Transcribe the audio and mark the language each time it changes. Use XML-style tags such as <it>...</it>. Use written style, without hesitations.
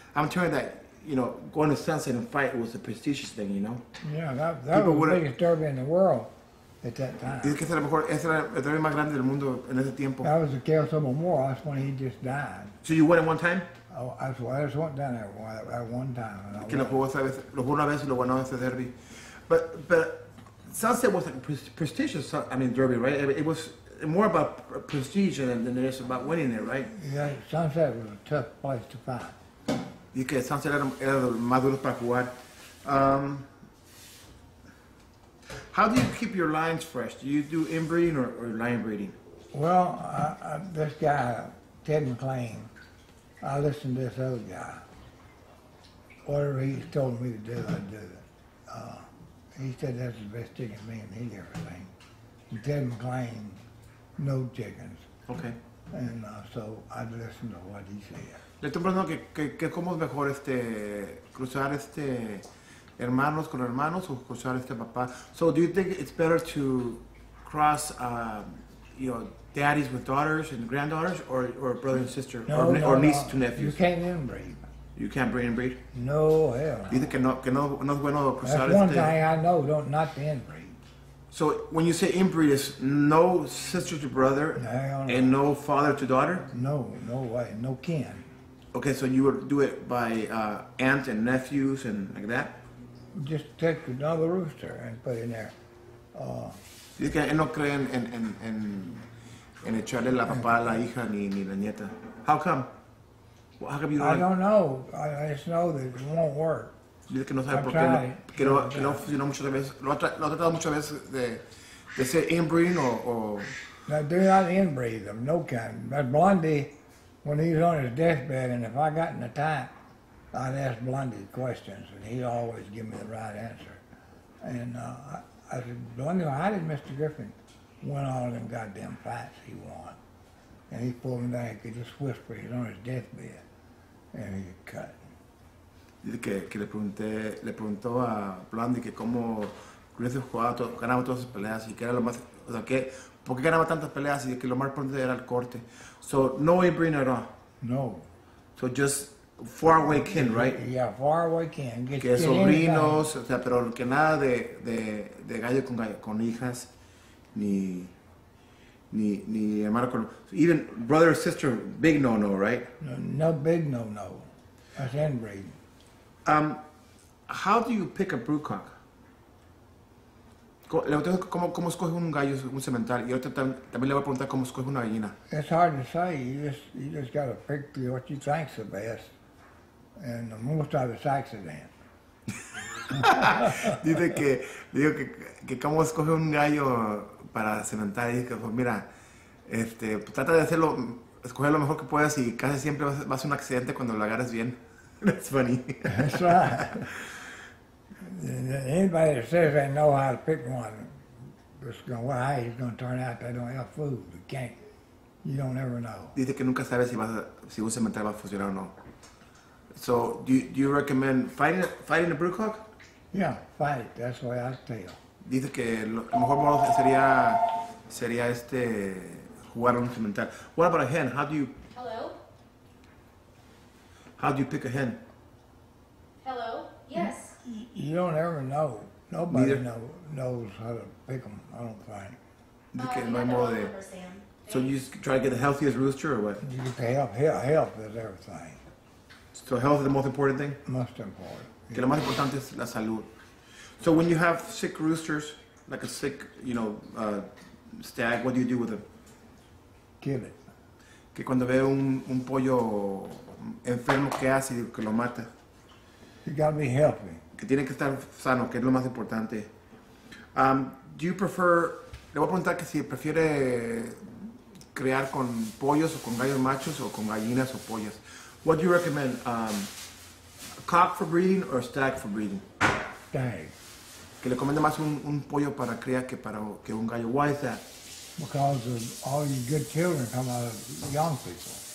<en>I'm telling you that, you know, going to Sanser and fight was a prestigious thing, you know? Yeah, that was the biggest derby in the world. At that time.</en> <es>Dice que ese era mejor, ese era el derby más grande del mundo en ese tiempo.</es> <en>That was the Kelso Memorial, that's when he just died. So you went at one time? Oh, I just went down there at one time.</en> <es>Que lo jugó esa vez, lo jugó una vez y lo ganó ese derby.</es> <en>But Sunset was a prestigious, derby, right? It was more about prestige than it is about winning it, right? Yeah, Sunset was a tough place to fight.</en> <es>Dice que Sunset era el más duro para jugar.</es> <en>How do you keep your lines fresh? Do you do inbreeding or line breeding? Well, this guy, Ted McLean, I listened to this other guy. Whatever he told me to do, I do it. He said that's the best chicken man he'd ever seen. And Ted McLean knows chickens. Okay. And so I listened to what he said.</en> <es>Le estoy preguntando que cómo es mejor cruzar hermanos con hermanos o cruzar papá.</es> <en>So do you think it's better to cross, daddies with daughters and granddaughters or brother and sister or niece to nephews? You can't inbreed. You can't breed? No, hell no.</en> <es>Dice que no es bueno cruzar.</es> <en>That's one thing I know, not to inbreed. So when you say inbreed, it's no sister to brother and no father to daughter? No way, no kin. Okay, so you would do it by aunt and nephews and like that? Just take another rooster and put it in there.</en> <es>Dice que él no cree en echarle la papá, la hija, ni la nieta.</es> <en>How come? Well, how come you don't? I don't know. I just know that it won't work.</en> <es>Dice que no sabe por qué. Que no funcionó muchas veces. Lo ha tratado muchas veces de ser inbreeding o...</es> <en>No, do not inbreed them. No kind. But Blondie, when he was on his deathbed, and if I got in the tank, I'd ask Blondie questions, and he always give me the right answer. And I said, Blondie, how did Mr. Griffin win all them goddamn fights he won? And he pulled me back, he could just whisper, he's on his deathbed, and he cut.</en> <es>Dice que le pregunté, le preguntó a Blondie que cómo Griffin jugaba ganaba todas sus peleas, y que era lo más, o sea, que, ¿por qué ganaba tantas peleas? Y que lo más importante era el corte.</es> <en>So, no way bring it on. No. So, just far away kin, right? Yeah, far away kin.</en> <es>Que sobrinos, o sea, pero que nada de gallo con hijas, ni hermano con...</es> <en>Even brother or sister, big no-no, right? No big no-no. That's inbreeding. How do you pick a broodcock?</en> <es>Le voy a preguntar cómo escoge un gallo, un semental, y otro también le voy a preguntar cómo escoge una gallina.</es> <en>It's hard to say. You just got to pick what you think's the best. And the most of it's accident.</en> <es>Dice que, digo que cómo escoge un gallo para semental. Y dice, pues mira, trata de hacerlo, escoger lo mejor que puedas, y casi siempre va a ser un accidente cuando lo agarres bien.</es> <en>That's funny. That's right. Anybody that says they know how to pick one, it's going, well, hey, it's going to turn out they don't have food. You can't. You don't ever know.</en> <es>Dice que nunca sabes si un cemental va a funcionar o no.</es> <en>So, do you recommend fighting a broodcock? Yeah, fight. That's what I tell.</en> <es>Dice que lo mejor modo sería jugar un cemental.</es> <en>What about a hen? How do you... Hello? How do you pick a hen? Hello? Yes. You don't ever know. Nobody knows how to pick them, I don't think. So you just try to get the healthiest rooster or what? You get the health is everything. So health is the most important thing? Most important.</en> <es>Que lo más importante es la salud.</es> <en>So when you have sick roosters, like a sick, you know, stag, what do you with them? Kill it.</en> <es>Que cuando ve un pollo enfermo, ¿qué hace? Que lo mata.</es> <en>You gotta be healthy.</en> <es>Que tiene que estar sano, que es lo más importante.</es> <en>Do you prefer,</en> <es>le voy a preguntar que si prefiere criar con pollos o con gallos machos o con gallinas o pollas.</es> <en>What do you recommend, a cock for breeding or a stag for breeding? Stag.</en> <es>Que le recomiende más un pollo para cría que para que un gallo.</es> <en>Why is that? Because of all your good children come out of young people.</en>